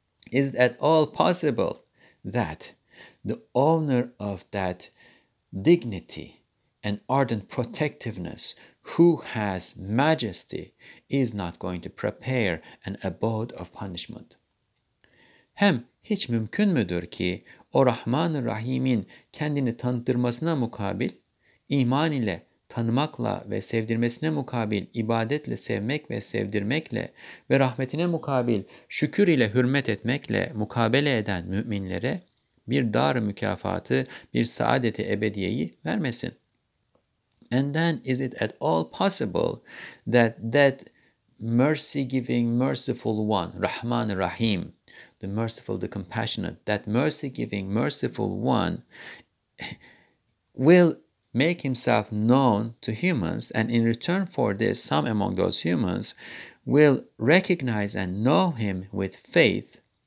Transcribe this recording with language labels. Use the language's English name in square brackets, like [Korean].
[English] Is it at all possible that the owner of that dignity and ardent protectiveness, who has majesty, is not going to prepare an abode of punishment? [Turkish] Hem hiç mümkün müdür ki o Rahman-ı Rahim'in kendini tanıttırmasına mukabil, iman ile tanımakla ve sevdirmesine mukabil, ibadetle sevmek ve sevdirmekle ve rahmetine mukabil, şükür ile hürmet etmekle mukabele eden müminlere bir dar mükafatı, bir saadeti ebediyeyi vermesin? [English] And then, is it at all possible that mercy-giving, merciful one, Rahman-ı Rahim, the merciful, the compassionate, that mercy-giving, merciful one will make himself known to humans, and in return for this, some among those humans will recognize and know him with faith.